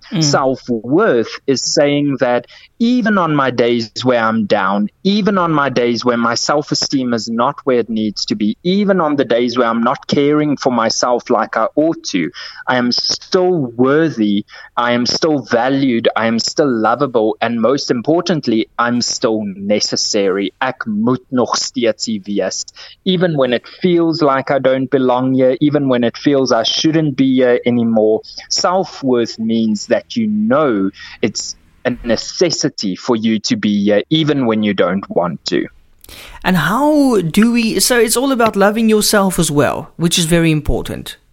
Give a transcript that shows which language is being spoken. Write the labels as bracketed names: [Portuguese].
[English] Self-worth is saying that even on my days where I'm down, even on my days where my self-esteem is not where it needs to be, even on the days where I'm not caring for myself like I ought to, I am still worthy, I am still valued, I am still lovable, and most importantly, I'm still necessary. [Afrikaans] Ek moet nog steeds hier wees. [English] Even when it feels like I don't belong here, even when it feels I shouldn't be here anymore, self-worth means that you know it's a necessity for you to be here, even when you don't want to. And how do we, so it's all about loving yourself as well, which is very important.